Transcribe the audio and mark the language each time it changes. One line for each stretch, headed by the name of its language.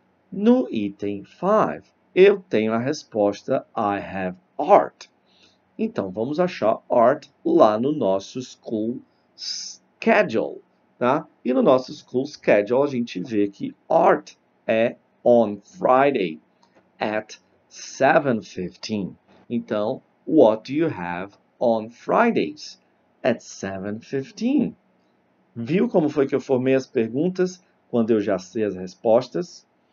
Portuguese: No item 5, eu tenho a resposta,
English: I have art.
Portuguese: Então, vamos achar art lá no nosso school schedule. Tá? E no nosso school schedule, a gente vê que art é
English: on Friday at 7:15.
Portuguese: Então,
English: what do you have on Fridays at 7:15?
Portuguese: Viu como foi que eu formei as perguntas quando eu já sei as respostas?